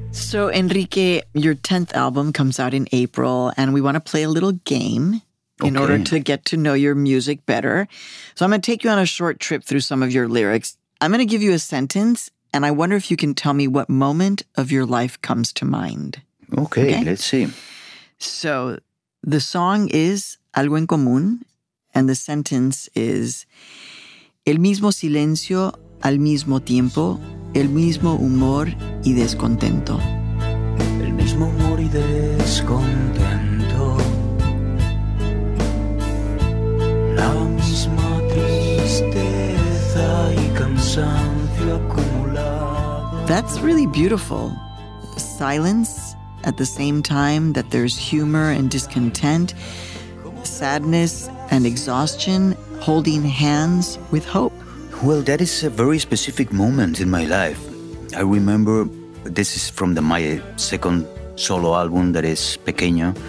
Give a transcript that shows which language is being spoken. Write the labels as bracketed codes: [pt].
[en] So, Enrique, your 10th album comes out in April, and we want to play a little game in order to get to know your music better. So I'm going to take you on a short trip through some of your lyrics. I'm going to give you a sentence, and I wonder if you can tell me what moment of your life comes to mind. Okay, let's see. So the song is Algo en Común, and the sentence is [es] El mismo silencio al mismo tiempo, el mismo humor y descontento. El mismo humor y descontento. La misma tristeza y cansancio acumulado. [en] That's really beautiful. Silence at the same time that there's humor and discontent, sadness and exhaustion, holding hands with hope. Well, that is a very specific moment in my life. I remember, this is from my second solo album, that is Pequeño.